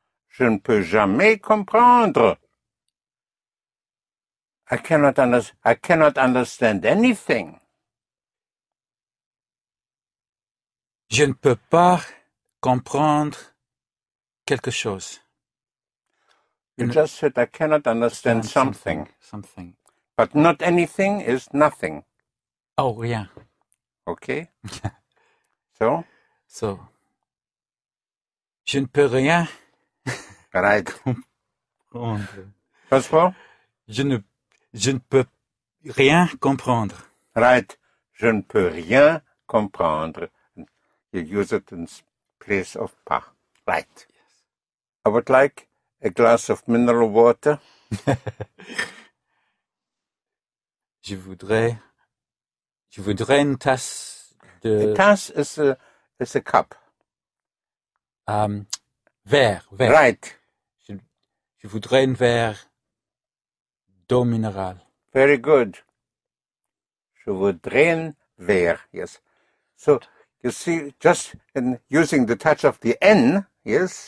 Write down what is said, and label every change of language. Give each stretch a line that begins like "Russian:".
French: Je ne peux jamais comprendre.
English: I cannot understand anything.
French: Je ne peux pas comprendre quelque chose.
English: Just said I cannot understand something. Something. But not anything is nothing.
French: Oh, rien.
English: Okay. So? So.
French: Je ne peux rien.
English: Right.
French: Comprendre.
English: First of all?
French: Je ne peux rien comprendre.
English: Right.
French: Je ne peux rien comprendre.
English: You use it in place of pas. Right. Yes. I would like a glass of mineral water.
French: Je voudrais une tasse de.
English: A tasse is a cup.
French: Verre.
English: Right.
French: Je voudrais un verre d'eau minérale.
English: Very good.
French: Je voudrais un verre.
English: Yes. So you see, just in using the touch of the N, yes.